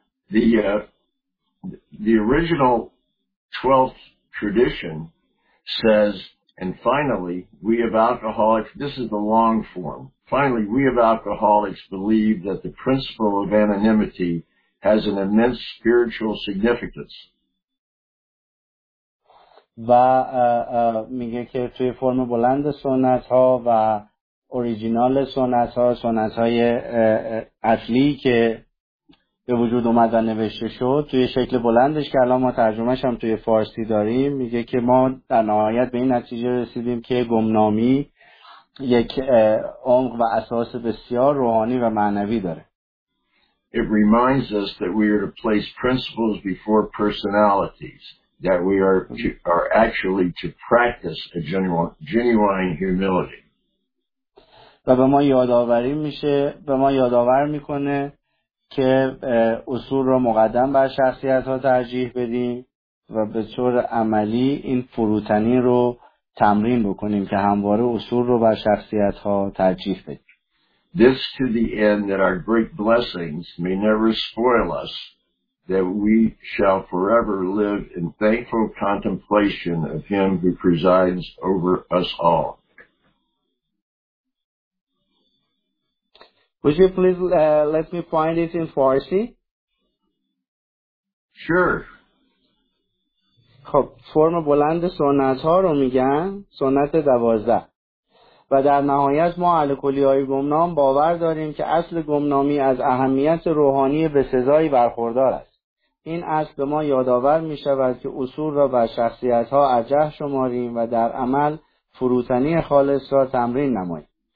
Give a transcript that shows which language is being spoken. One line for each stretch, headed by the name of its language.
English: The original 12th tradition says, and finally, we of alcoholics, this is the long form, finally, we of alcoholics believe that the principle of anonymity has an immense spiritual significance.
Persian: و میگه که توی فرم بلند سنت ها و اوریجینال سنت ها، سنت های اصلی که به وجود اومد و نوشته شد توی شکل بلندش که الان ما ترجمهش هم توی فارسی داریم، میگه که ما در نهایت به این نتیجه رسیدیم که گمنامی یک عمق و اساس بسیار روحانی و معنوی داره.
English: It reminds us that we are to place principles before personalities. That we are actually to practice a genuine humility.
Persian: و به ما یادآوری میشه، به ما یادآور میکنه که اصول رو مقدم بر شخصیت ها ترجیح بدیم و به طور عملی این فروتنی رو تمرین بکنیم که همواره اصول رو بر شخصیت ها ترجیح بدیم.
English: This to the end that our great blessings may never spoil us. That we shall forever live in thankful contemplation of him who presides over us all. Would you please let me find it in Farsi? Sure.
Persian: خب فرم بلند سنت ها رو میگن سنت 12 و در نهایت ما اهل کلیه‌های گمنام باور داریم که اصل گمنامی از اهمیت روحانی بسزایی برخوردار است. این اصل به ما یادآور می شود که اصول را بر شخصیت ها ارجح شماریم و در عمل فروتنی خالص را تمرین نماییم.